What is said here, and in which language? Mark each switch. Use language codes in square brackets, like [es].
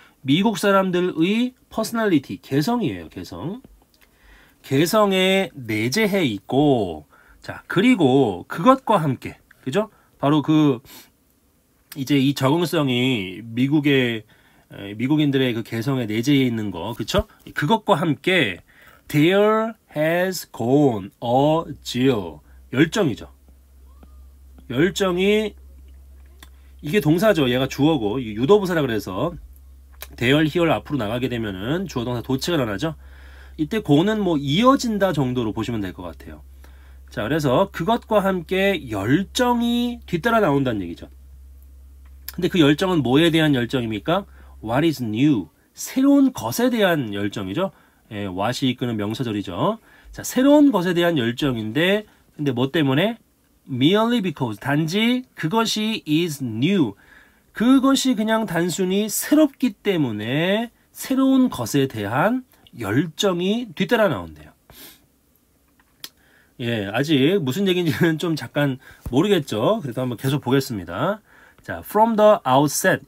[ko] 미국 사람들의 personality, 개성이에요, 개성. 개성에 내재해 있고, 자, 그리고 그것과 함께, 그죠? 바로 이제 이 적응성이 미국인들의 그 개성에 내재해 있는 거, 그죠? 그것과 함께, [en] there has gone a zeal. [ko] 열정이죠. 열정이 이게 동사죠. 얘가 주어고 유도부사라 그래서 대열 히얼 앞으로 나가게 되면은 주어동사 도치가 일어나죠. 이때 고는 뭐 이어진다 정도로 보시면 될것 같아요. 자, 그래서 그것과 함께 열정이 뒤따라 나온다는 얘기죠. 근데 그 열정은 뭐에 대한 열정입니까? [en] What is new? [ko] 새로운 것에 대한 열정이죠. 예, what이 이끄는 명사절이죠. 자, 새로운 것에 대한 열정인데 근데 뭐 때문에? [en] Merely because, [ko] 단지 그것이 [en] is new. [ko] 그것이 그냥 단순히 새롭기 때문에 새로운 것에 대한 열정이 뒤따라 나온대요. 예, 아직 무슨 얘기인지는 좀 잠깐 모르겠죠. 그래도 한번 계속 보겠습니다. 자, [en] from the outset.